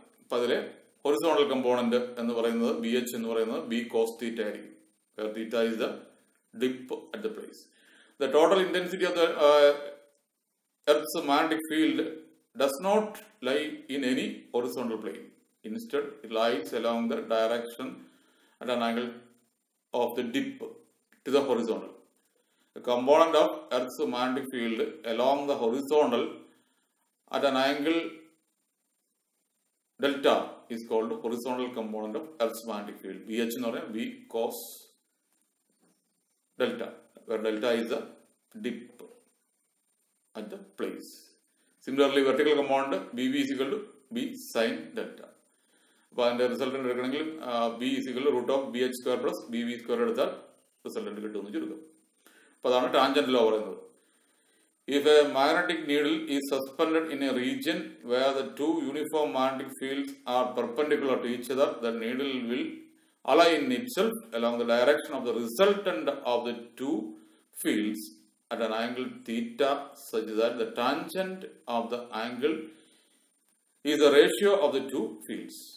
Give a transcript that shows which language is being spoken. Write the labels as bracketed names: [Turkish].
[Malayalam] അപ്പൊ അതിലെ horizontal component എന്ന് പറയുന്നത് ബി എച്ച് എന്ന് പറയുന്നത് ബി കോസ് തീറ്റ ആയിരിക്കും. [English] Where theta is the dip at the place. The total intensity of the Earth's magnetic field does not lie in any horizontal plane. Instead, it lies along the direction at an angle of the dip to the horizontal. The component of Earth's magnetic field along the horizontal at an angle delta is called the horizontal component of Earth's magnetic field. VH is called V cos delta, where delta is the dip at the place. Similarly, vertical component VB is equal to V sin delta. [Malayalam] അപ്പൊ അതിന്റെ resultant എടുക്കണമെങ്കിൽ B is equal root of B H square plus B V square എടുത്താൽ resultant കിട്ടുമെന്ന് ചുരുക്കം. അപ്പൊ അതാണ് tangent law പറയുന്നത്. [English] If a magnetic needle is suspended in a region where the two uniform magnetic fields are perpendicular to each other, the needle will align itself along the direction of the resultant of the two fields at an angle theta such that the tangent of the angle is the ratio of the two fields.